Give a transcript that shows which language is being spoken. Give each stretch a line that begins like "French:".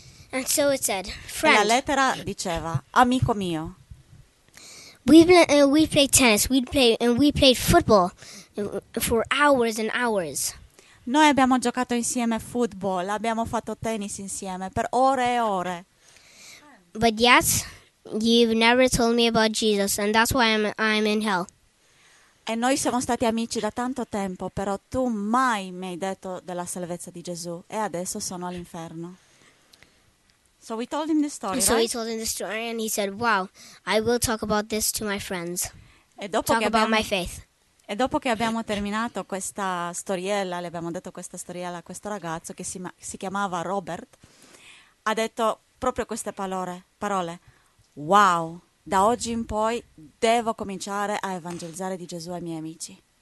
English: And so it said, friend.
Italian: E la lettera diceva, amico mio.
English: We played football for hours and hours.
Italian: Noi abbiamo giocato insieme football, abbiamo fatto tennis insieme per ore e ore.
English: But yet, you've never told me about Jesus, and that's why I'm in hell.
Italian: E noi siamo stati amici da tanto tempo, però tu mai mi hai detto della salvezza di Gesù, e adesso sono all'inferno.
English: So we told him the story. So right? We told him the story, and he said, "Wow, I will talk about this to my friends.
Italian: E dopo
English: talk
Italian: che
English: about my faith."
Italian: E dopo che abbiamo terminato questa storiella, le abbiamo detto questa storiella a questo ragazzo che si chiamava Robert, ha detto proprio queste parole: "Wow, da oggi in poi devo cominciare a evangelizzare di Gesù ai miei amici."